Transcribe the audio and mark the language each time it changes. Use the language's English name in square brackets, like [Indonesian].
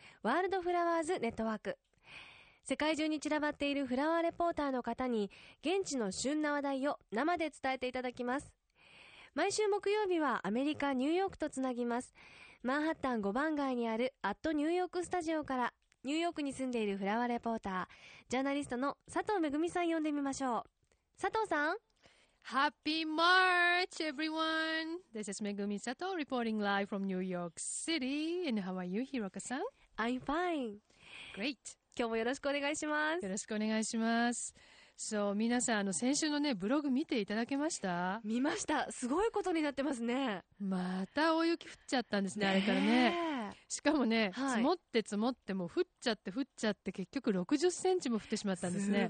[Japanese] ワールドフラワーズネットワーク、世界中に散らばっているフラワーレポーターの方に現地の旬な話題を生で伝えていただきます。毎週木曜日はアメリカ・ニューヨークとつなぎます。マンハッタン5番街にあるアットニューヨークスタジオから、ニューヨークに住んでいるフラワーレポーター、ジャーナリストの佐藤めぐみさん呼んでみましょう。佐藤さん。 [English] Happy March, everyone! This is Megumi Sato reporting live from New York City. And how are you, Hiroka-san? I'm fine. Great. [Japanese] 今日もよろしくお願いします。よろしくお願いします。そう、皆さん、先週のね、ブログ見ていただけました？見ました。すごいことになってますね。また大雪降っちゃったんですね、あれからね。しかもね、はい、積もっても、降っちゃって、結局60センチも降ってしまったんですね。